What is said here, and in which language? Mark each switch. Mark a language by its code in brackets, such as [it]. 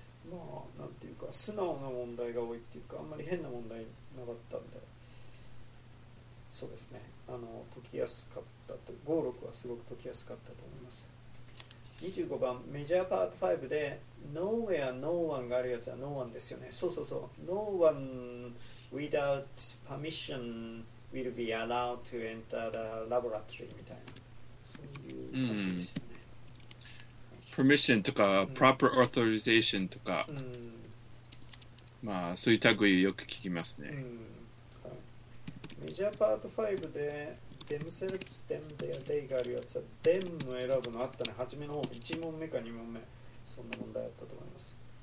[ja] まあ、なんていうか、素直な問題が多いっていうか、あんまり変な問題なかったんで。そうですね、あの、解きやすかったと、56はすごく解きやすかったと思います。 25番メジャーパート5で Nowhere No One があるやつは No One ですよね。そうそうそう、 [en] No one without permission will be allowed to enter the laboratory [ja] みたいな、そういう感じですよね。 Permission とか proper authorization とか、まあ、そういう類よく聞きますね。メジャーパート5で themselves, them, their, they があるやつは them を選ぶのあったね。初めの方、1問目か2問目そんな問題あったと思います。